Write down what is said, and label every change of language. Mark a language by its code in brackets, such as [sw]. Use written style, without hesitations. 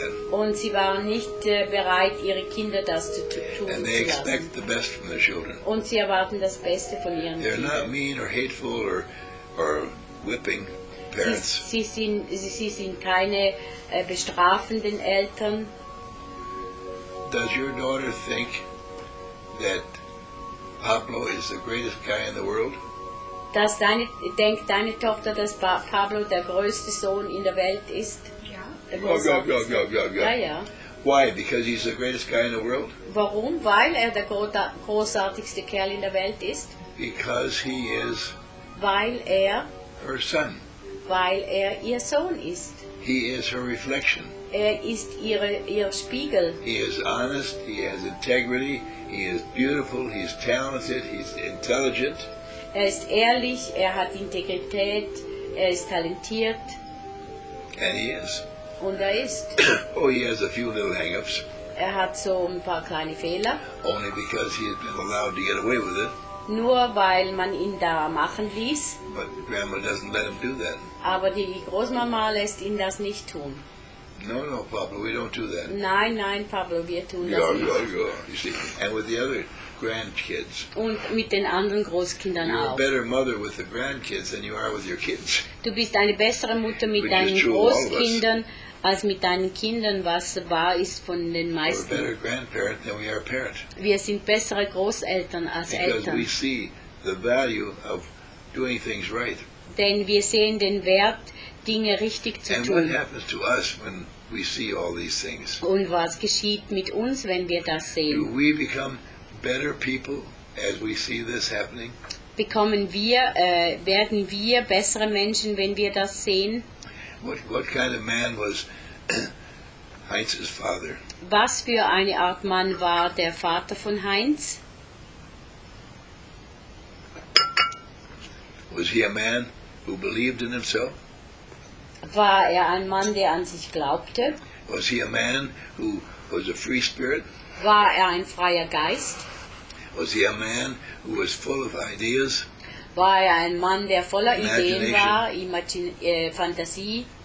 [de] Und sie waren nicht bereit, ihre Kinder das zu tun zu lassen. [en] And they expect the best from their children. [de] Und sie erwarten das Beste von ihren [en] They're [de] Kindern. [en] Not mean or hateful or whipping parents. [de] Sie sind keine bestrafenden Eltern. [en] Does your daughter think that Pablo is the greatest guy in the world? [de] Denkt deine Tochter, dass Pablo der größte Sohn in der Welt ist? [en] Ja. Why? Because he's the greatest guy in the world? [de] Warum? Weil er der großartigste Kerl in der Welt ist? [en] Because he is. [de] Weil er. [en] Her son. [de] Weil er ihr Sohn ist. [en] He is her reflection. [de] Er ist ihr Spiegel. [en] He is honest. He has integrity. He is beautiful. He is talented. He is intelligent. [de] Er ist ehrlich, er hat Integrität, er ist talentiert. [en] And he is. [de] Und er ist. [en] Oh, he has a few little hang-ups. [de] Er hat so ein paar kleine Fehler. [en] Only because he has been allowed to get away with it. [de] Nur weil man ihn da machen ließ. [en] But grandma doesn't let him do that. [de] Aber die Großmama lässt ihn das nicht tun. [en] No, Pablo, we don't do that. [de] Nein, Pablo, wir tun [en] go, [de] das [en] go, [de] nicht. [en] Go, you see. And with the other grandkids. [de] Und mit den anderen Großkindern [en] You're [de] auch. [en] You're a better mother with the grandkids than you are with your kids. [de] Du bist eine bessere Mutter mit deinen Großkindern als mit deinen Kindern, was wahr ist von den meisten. [en] We're a better grandparent than we are a parent. [de] Wir sind bessere Großeltern als [en] Because [de] Eltern. [en] We see the value of doing things right. [de] Denn wir sehen den Wert, Dinge richtig zu [en] And [de] tun. [en] And what happens to us when we see all these things? [de] Und was geschieht mit uns, wenn wir das sehen? [en] Do we become better people as we see this happening? [de] Werden wir bessere Menschen, wenn wir das sehen? [en] What kind of man was Heinz's father? [de] Was für eine Art Mann war der Vater von Heinz? [en] Was he a man who believed in himself? [de] War ein Mann, der an sich glaubte? [en] Was he a man who was a free spirit? [de] War ein freier Geist? [en] Was he a man who was full of ideas? [de] War ein Mann, der voller Ideen war, Fantasie?